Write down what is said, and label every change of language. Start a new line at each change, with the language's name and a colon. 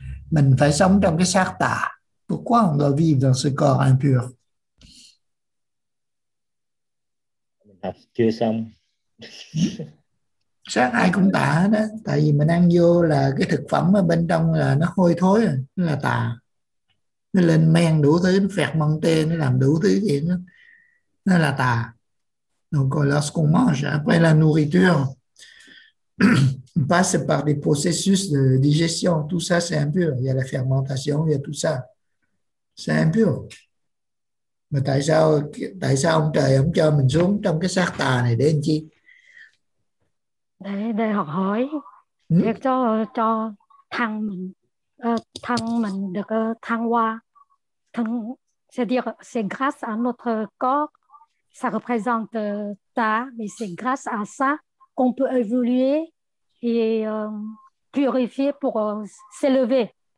Vietnamese: Mình phải sống trong cái xác tà.
French: Pourquoi on doit vivre dans ce corps impur?
Vietnamese: Mình học chưa xong. Xác ai cũng tà đó, tại vì mình ăn vô là cái thực phẩm ở bên trong là nó hôi thối, nó là tà. Nó lên men đủ thứ, nó phẹt măng tê, nó làm đủ thứ chuyện đó. Nó là tà.
French: Donc lorsqu'on mange après la nourriture, on passe par des processus de digestion, tout ça c'est impur. Il y a la fermentation, il y a tout ça. C'est impur.
Vietnamese: Mais tại sao ông trời ông cho mình xuống trong cái xác tà này để làm chi? Để học hỏi, để cho thân mình được thăng hoa.
French: Thân, c'est grâce à notre corps, ça représente ta, mais c'est grâce à ça qu'on peut évoluer et purifier pour s'élever.